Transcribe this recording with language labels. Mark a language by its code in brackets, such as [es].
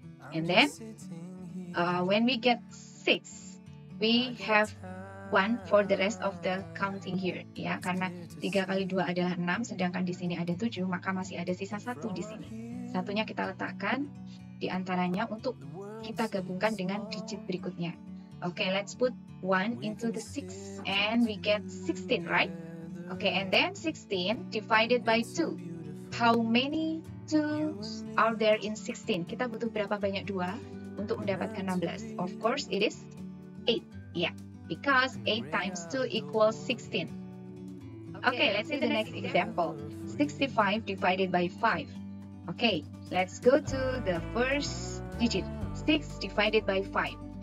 [en] And then, when we get 6, we have 1 for the rest of the counting here, ya. [id] Karena 3 kali 2 adalah 6, sedangkan di sini ada 7, maka masih ada sisa 1 di sini. Satunya kita letakkan di antaranya untuk kita gabungkan dengan digit berikutnya. [en] Okay, let's put 1 into the 6, and we get 16, right? Okay, and then 16 divided by 2. How many 2s are there in 16? [id] Kita butuh berapa banyak 2 untuk mendapatkan 16? [en] Of course, it is 8, yeah, because 8 times 2 equals 16. Okay, let's see the next example. 65 divided by 5. Okay, let's go to the first digit. 6 divided by 5.